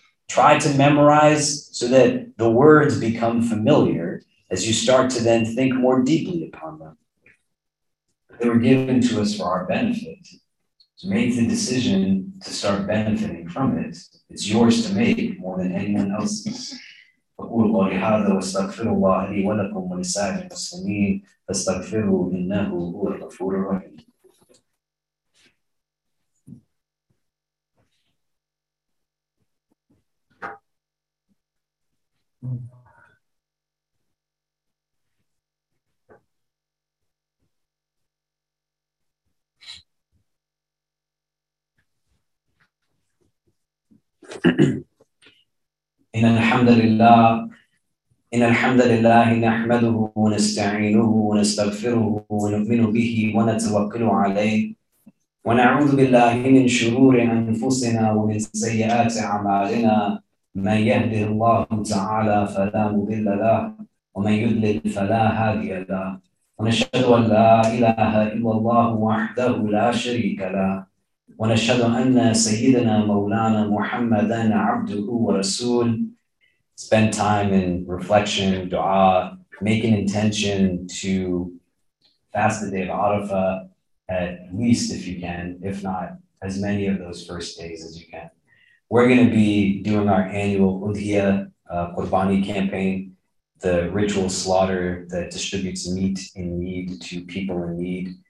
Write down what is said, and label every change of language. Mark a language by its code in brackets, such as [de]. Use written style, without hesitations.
[en] Try to memorize so that the words become familiar as you start to then think more deeply upon them. They were given to us for our benefit. So make the decision to start benefiting from it. It's yours to make more than anyone else's. [ar] أقول قولي هذا واستغفر الله لي ولكم ولسائر المسلمين فاستغفروه إنه هو الغفور الرحيم. إن الحمد لله نحمده ونستعينه ونستغفره ونؤمن به ونتوكل عليه ونعوذ بالله من شرور أنفسنا ومن سيئات أعمالنا من يهده الله تعالى فلا مضل له ومن يضلل فلا هادي له ونشهد أن لا إله إلا الله وحده لا شريك له ونشهد أن سيدنا مولانا محمدًا عبده ورسول. [en] Spend time in reflection, dua, make an intention to fast the day of Arafah, at least if you can, if not, as many of those first days as you can. We're going to be doing our annual Udhiyah Qurbani campaign, the ritual slaughter that distributes meat in need to people in need.